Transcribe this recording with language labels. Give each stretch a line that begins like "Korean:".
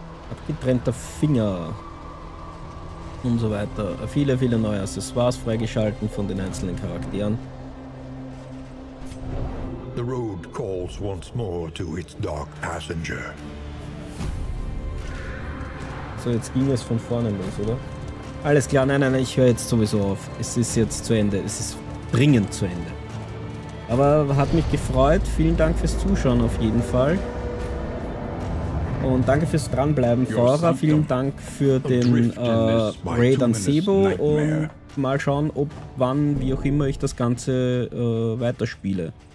German: Abgetrennter Finger. Und so weiter. Viele, viele neue Accessoires freigeschalten von den einzelnen Charakteren.
English: The road calls once more to its dark passenger.
German: So, jetzt ging es von vorne los, oder? Alles klar, nein, ich höre jetzt sowieso auf. Es ist jetzt zu Ende, es ist dringend zu Ende. Aber hat mich gefreut, vielen Dank fürs Zuschauen auf jeden Fall. Und danke fürs Dranbleiben, Fora, vielen Dank für den Raid an Sebo und mal schauen, ob, wann, wie auch immer ich das Ganze weiterspiele.